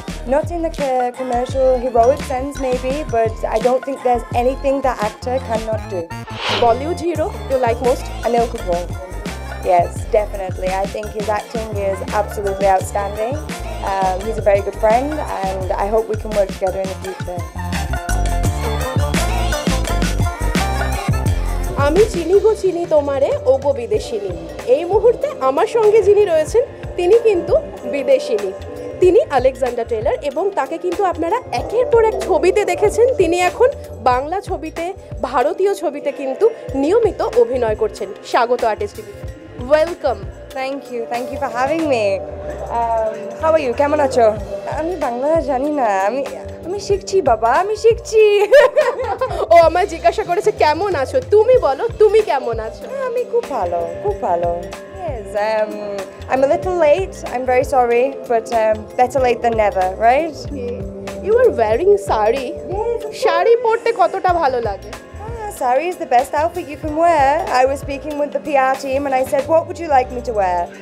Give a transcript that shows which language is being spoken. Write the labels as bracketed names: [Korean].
[English] Not in like a commercial heroic sense maybe, but I don't think there's anything that actor cannot do. Bollywood hero you like most? Anil Kapoor. Yes, definitely. I think his acting is absolutely outstanding. He's a very good friend and I hope we can work together in the future. [Bangla] আমি চিনি গো চিনি তোমারে ও গো বিদেশিনী এই মুহূর্তে আমার সঙ্গে যিনি রয়েছেন তিনি কিন্তু বিদেশিনী তিনি আলেকজান্ডার টেইলর এবং তাকে কিন্তু আপনারা একের পর এক ছবিতে দেখেছেন তিনি এখন বাংলা ছবিতে ভারতীয় ছবিতে কিন্তু নিয়মিত অভিনয় করছেন স্বাগত artist TV welcome [English] thank you for having me how are you [Bangla] কেমন আছো আমি বাংলা জানি না আমি আমি শিখছি বাবা আমি শিখছি ও আমায় জিজ্ঞাসা করেছে কেমন আছো তুমি বলো তুমি কেমন আছো আমি খুব ভালো খুব ভালো [English] Yes, I'm a little late, I'm very sorry, but better late than never, right? Okay. You are wearing sari. Yes, [Bangla] sari porte kotota bhalo lage? [English] Sari is the best outfit you can wear. I was speaking with the PR team and I said, what would you like me to wear?